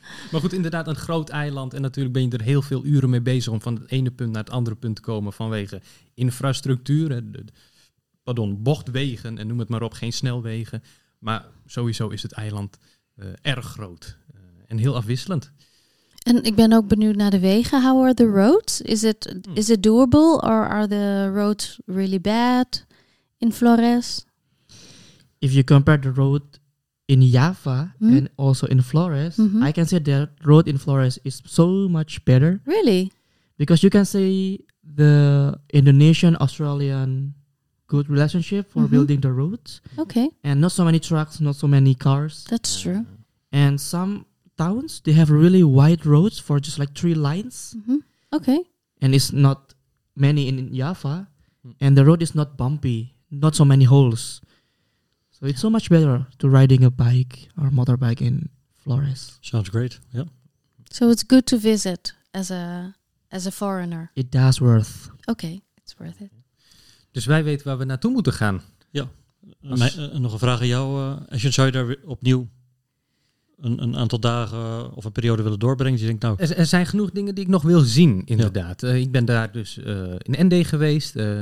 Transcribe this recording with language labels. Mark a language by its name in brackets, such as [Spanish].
[Dutch] Maar goed, inderdaad, een groot eiland. En natuurlijk ben je er heel veel uren mee bezig om van het ene punt naar het andere punt te komen. Vanwege infrastructuur. Pardon, bochtwegen en noem het maar op. Geen snelwegen. Maar sowieso is het eiland erg groot. En heel afwisselend. En ik ben ook benieuwd naar de wegen. [English] How are the roads? Is it doable or are the roads really bad in Flores? If you compare the road in Java and also in Flores, I can say the road in Flores is so much better. Really? Because you can see the Indonesian-Australian good relationship for building the roads. Okay. And not so many trucks, not so many cars. That's true. And some towns, they have really wide roads for just like three lines. Mm-hmm. Okay. And it's not many in Java. And the road is not bumpy, not so many holes. So it's so much better to riding a bike or motorbike in Flores. Sounds great, yeah. So it's good to visit as a foreigner. It does worth. Okay, it's worth it. [Dutch] Dus wij weten waar we naartoe moeten gaan. Ja, nog een vraag aan jou. Zou je daar opnieuw een aantal dagen of een periode willen doorbrengen? Dus je denkt, nou, er zijn genoeg dingen die ik nog wil zien, inderdaad. Ja. Ik ben daar dus in ND geweest.